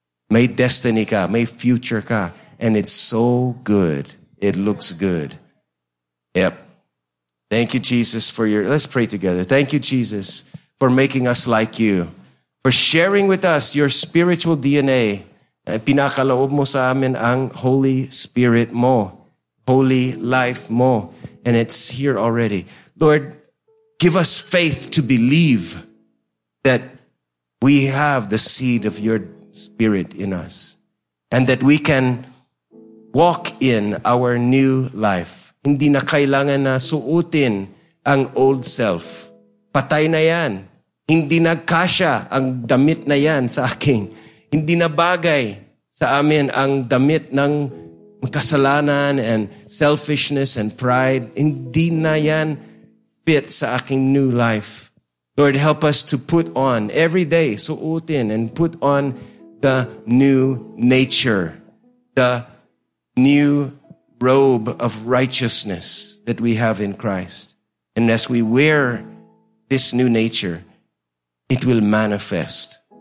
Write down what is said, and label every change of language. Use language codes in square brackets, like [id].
[tl] May destiny ka, may future ka. [en] And it's so good. It looks good. Yep. Thank you, Jesus, for your... Let's pray together. Thank you, Jesus, for making us like you. For sharing with us your spiritual DNA. [tl] Pinakaloob mo sa amin ang Holy Spirit mo. [en] Holy life mo. And it's here already. Lord, give us faith to believe that we have the seed of your Spirit in us. And that we can walk in our new life. [tl] Hindi na kailangan na suutin ang old self. Patay na yan. Hindi nagkasya ang damit na yan sa akin. Hindi na bagay sa amin ang damit ng kasalanan [en] and selfishness and pride. [tl] Hindi na yan fit sa aking new life. [en] Lord, help us to put on every day, suutin and put on the new nature, the new robe of righteousness that we have in Christ. And as we wear this new nature, it will manifest.